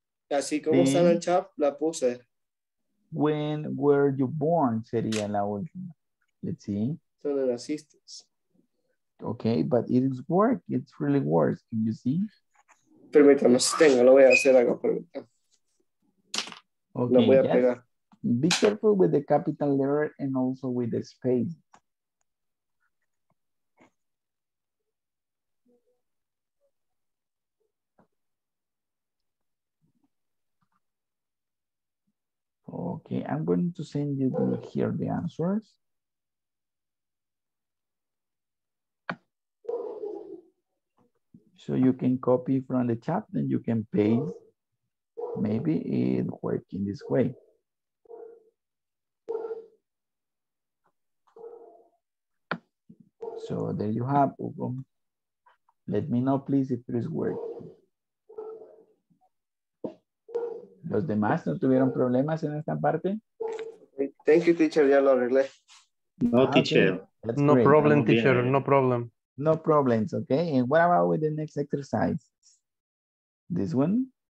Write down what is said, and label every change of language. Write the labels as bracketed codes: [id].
[es] Así como está en el chat, la puse. [en] When were you born? [es] Sería la última. [en] Let's see. [es] ¿Dónde naciste? [en] Okay, but it is work. It's really work. Can you see? [es] Permítame, si tengo, lo voy a hacer algo. Permítame. Okay, lo voy a pegar. [en] Be careful with the capital letter and also with the space. Okay, I'm going to send you here the answers. So you can copy from the chat and you can paste. Maybe it works in this way. So there you have, Hugo. Let me know, please, if it is working. [es] ¿Los demás no tuvieron problemas en esta parte? [en] Thank you, teacher. [es] Ya lo arreglé. [en] No, okay. Teacher. No problem, teacher. No problem. No problems, okay? And what about with the next exercise? This one?